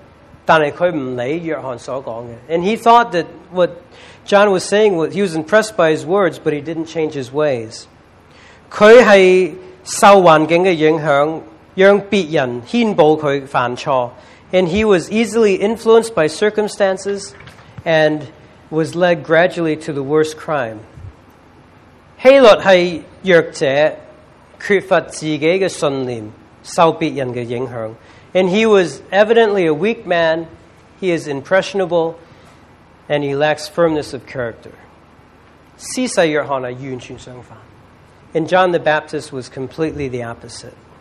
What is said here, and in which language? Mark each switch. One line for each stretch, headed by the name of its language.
Chinese: 当他以为约翰讲真理，但是他不理约翰所讲的。
English: And he thought that what John was saying, he was impressed by his words, but he didn't change his ways.
Chinese: 他是受环境的影响，让别人牵报他犯错，
English: and he was easily influenced by circumstances, and was led gradually to the worst crime.
Chinese: 希律是弱者，缺乏自己的信念，受别人的影响，
English: and he was evidently a weak man. He is impressionable, and he lacks firmness of character.
Chinese: 施洗约翰完全相反。
English: And John the Baptist was completely the opposite.